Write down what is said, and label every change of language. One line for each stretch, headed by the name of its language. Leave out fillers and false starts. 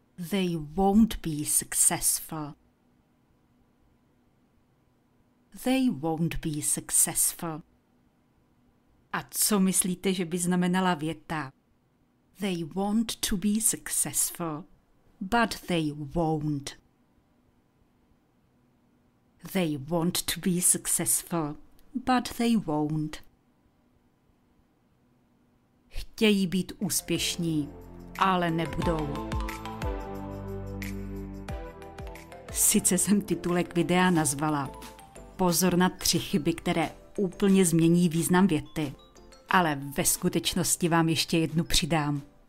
English: They won't be successful. They won't be successful.
Czech: A co myslíte, že by znamenala věta?
English: They want to be successful, but they won't. They want to be successful, but they won't.
Czech: Chtějí být úspěšní, ale nebudou. Sice jsem titulek videa nazvala Pozor na tři chyby, které úplně změní význam věty, ale ve skutečnosti vám ještě jednu přidám.